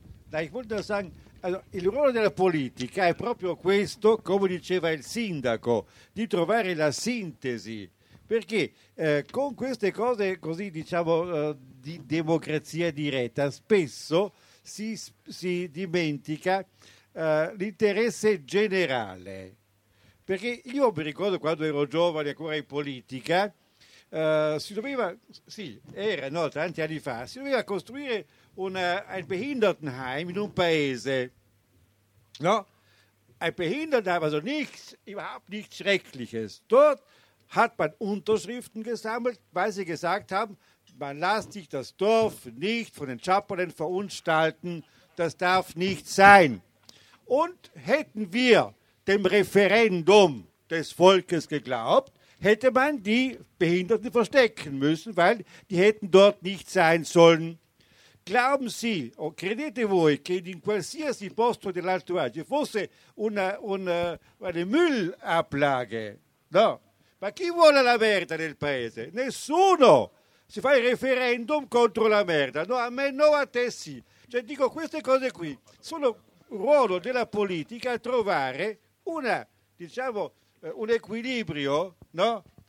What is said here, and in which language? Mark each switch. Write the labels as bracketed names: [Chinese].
[Italian] Dai, [German] ich wollte sagen, also, [Italian] il ruolo della politica è proprio questo, come diceva il sindaco, di trovare la sintesi, perché con queste cose così, diciamo, di democrazia diretta, spesso si dimentica l'interesse generale. Perché io mi ricordo quando ero giovane ancora in politica, tanti anni fa, si doveva costruire un Behindertenheim in un paese, no? [German] Ein Behindertenheim, also nichts, überhaupt nichts Schreckliches. Dort hat man Unterschriften gesammelt, weil sie gesagt haben, man lässt sich das Dorf nicht von den Chaplinen verunstalten, das darf nicht sein. Und hätten wir dem Referendum des Volkes geglaubt, hätte man die Behinderten verstecken müssen, weil die hätten dort nicht sein sollen. Glauben Sie [Italian] o credete voi che in qualsiasi posto dell'Alto Adige fosse una Müllablage? No. Ma chi vuole la merda nel paese? Nessuno. Si fa il referendum contro la merda. No, a me no, a te sì. Cioè dico, queste cose qui sono ruolo della politica, a trovare una, diciamo, un equilibrio, no?